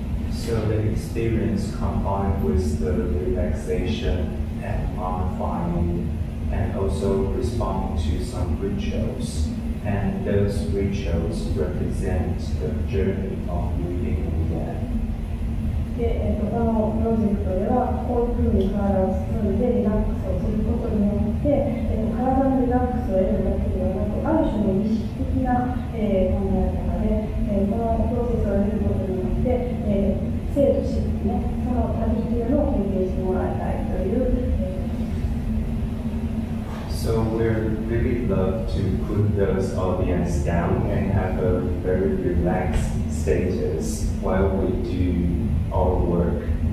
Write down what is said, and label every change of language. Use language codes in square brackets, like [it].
[en] So the experience combined with the relaxation and mummifying. And also respond to some rituals, and those rituals represent the journey of living with them. [ja] で、このプロジェクトではこういうふうに体を包んでリラックスをすることによって、体のリラックスを得るだけではなく、ある種の意識的な、考え方で、このプロセスを得ることによって、生と死ね、その旅というのを経験してもらいたいという。 [en] So we'd really love to put those audience down and have a very relaxed status while we do our work.